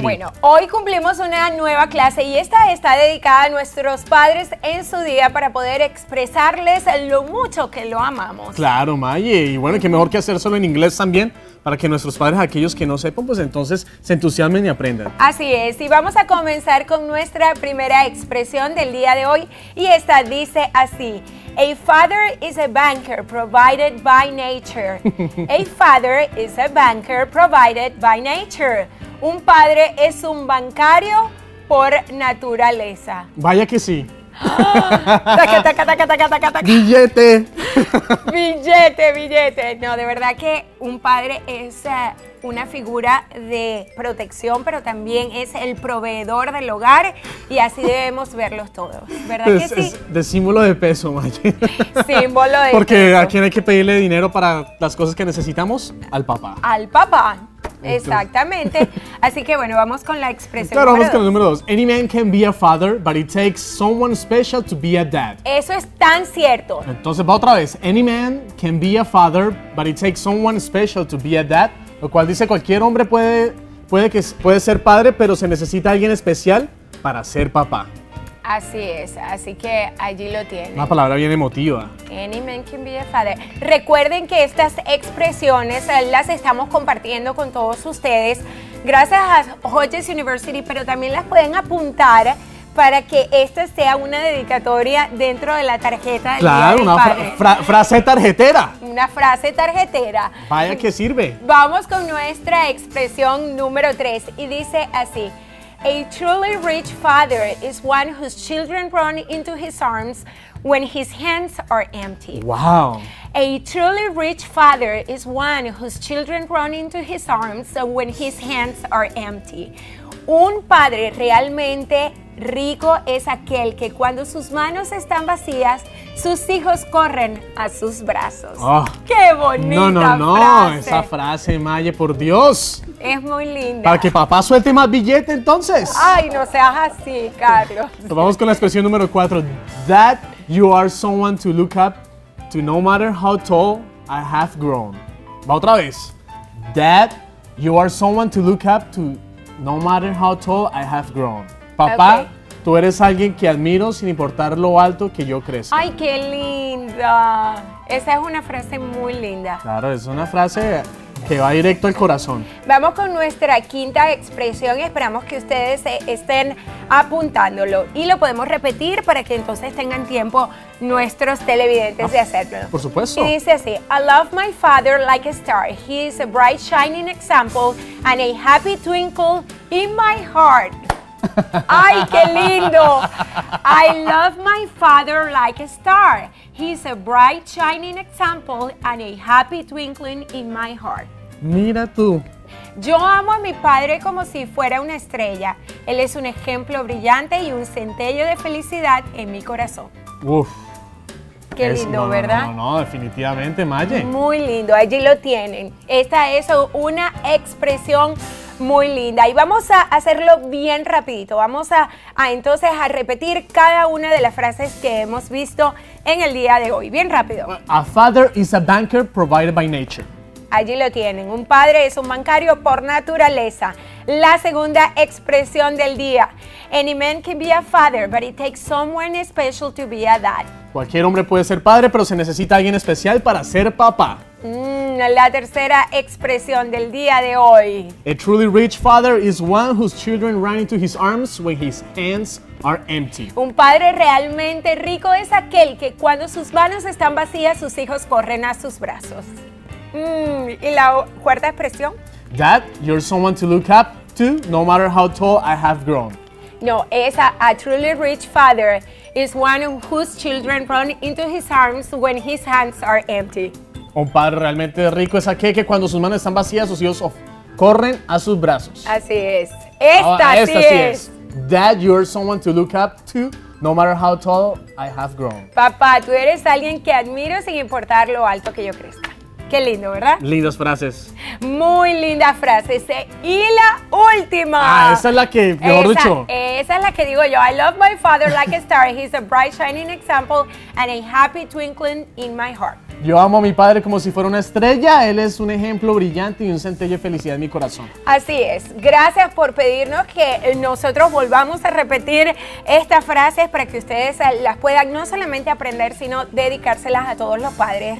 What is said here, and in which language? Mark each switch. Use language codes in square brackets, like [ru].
[es] Bueno, hoy cumplimos una nueva clase y esta está dedicada a nuestros padres en su día para poder expresarles lo mucho que lo amamos. Claro, Maye. Y bueno, qué mejor que hacer solo en inglés también para que nuestros padres, aquellos que no sepan, pues entonces se entusiasmen y aprendan. Así es. Y vamos a comenzar con nuestra primera expresión del día de hoy y esta dice así. [en] A father is a banker provided by nature. A father is a banker provided by nature. [es] Un padre es un bancario por naturaleza. Vaya que sí. Taca, taca, taca, taca, taca, taca. Billete. Billete, billete. No, de verdad que un padre es una figura de protección, pero también es el proveedor del hogar y así debemos verlos todos, ¿verdad es, que sí? Es de símbolo de peso, Maye. Símbolo de porque peso. Porque ¿a quién hay que pedirle dinero para las cosas que necesitamos? Al papá. Al papá, exactamente. Así que bueno, vamos con la expresión. Claro, vamos con el número dos. [en] Any man can be a father, but it takes someone special to be a dad. [es] Eso es tan cierto. Entonces va otra vez. [en] Any man can be a father, but it takes someone special to be a dad. [es] Lo cual dice cualquier hombre puede ser padre, pero se necesita alguien especial para ser papá. Así es, así que allí lo tienen. Una palabra bien emotiva. [en] Any man can be a father. [es] Recuerden que estas expresiones las estamos compartiendo con todos ustedes gracias a Hodges University, pero también las pueden apuntar para que esta sea una dedicatoria dentro de la tarjeta del claro, día del una padre. Frase tarjetera. Una frase tarjetera. Vaya que sirve. Vamos con nuestra expresión número 3 y dice así. [en] A truly rich father is one whose children run into his arms when his hands are empty. Wow. A truly rich father is one whose children run into his arms when his hands are empty. [es] Un padre realmente rico es aquel que cuando sus manos están vacías, sus hijos corren a sus brazos. Oh, ¡qué bonita no, no, frase! No, esa frase, Maye, por Dios. Es muy linda. Para que papá suelte más billete, entonces. Ay, no seas así, Carlos. Vamos con la expresión número 4. [en] That you are someone to look up to no matter how tall I have grown. [es] Va otra vez. [en] That you are someone to look up to no matter how tall I have grown. [es] Papá, okay. Tú eres alguien que admiro sin importar lo alto que yo crezca. ¡Ay, qué linda! Esa es una frase muy linda. Claro, es una frase que va directo al corazón. Vamos con nuestra quinta expresión. Esperamos que ustedes estén apuntándolo. Y lo podemos repetir para que entonces tengan tiempo nuestros televidentes de hacerlo. Por supuesto. Y dice así. [en] I love my father like a star. He is a bright shining example and a happy twinkle in my heart. [es] ¡Ay, qué lindo! [en] I love my father like a star. He's a bright shining example and a happy twinkling in my heart. [es] Mira tú. Yo amo a mi padre como si fuera una estrella. Él es un ejemplo brillante y un centello de felicidad en mi corazón. ¡Uf! Qué lindo, no, ¿verdad? No, definitivamente, Maye. Muy lindo, allí lo tienen. Esta es una expresión muy linda. Y vamos a hacerlo bien rapidito. Vamos a entonces a repetir cada una de las frases que hemos visto en el día de hoy. Bien rápido. [en] A father is a banker provided by nature. [es] Allí lo tienen. Un padre es un bancario por naturaleza. La segunda expresión del día. [en] Any man can be a father, but it takes someone special to be a dad. [es] Cualquier hombre puede ser padre, pero se necesita alguien especial para ser papá. La tercera expresión del día de hoy. [en] A truly rich father is one whose children run into his arms when his hands are empty. [es] Un padre realmente rico es aquel que cuando sus manos están vacías, sus hijos corren a sus brazos. Y la cuarta expresión. [en] That you're someone to look up to, no matter how tall I have grown. [es] No, es [en] a truly rich father is one whose children run into his arms when his hands are empty. [es] Un padre realmente rico es aquel que cuando sus manos están vacías, sus hijos corren a sus brazos. Así es. Esta sí es. [en] That you're someone to look up to, no matter how tall I have grown. [es] Papá, tú eres alguien que admiro sin importar lo alto que yo crezca. Qué lindo, ¿verdad? Lindas frases. Muy lindas frases. Y la última. Ah, esa es la que mejor dicho. Esa es la que digo yo. [en] I love my father like a star. He's a bright shining example and a happy twinkling in my heart. [es] Yo amo a mi padre como si fuera una estrella. Él es un ejemplo brillante y un centello de felicidad en mi corazón. Así es. Gracias por pedirnos que nosotros volvamos a repetir estas frases para que ustedes las puedan no solamente aprender, sino dedicárselas a todos los padres.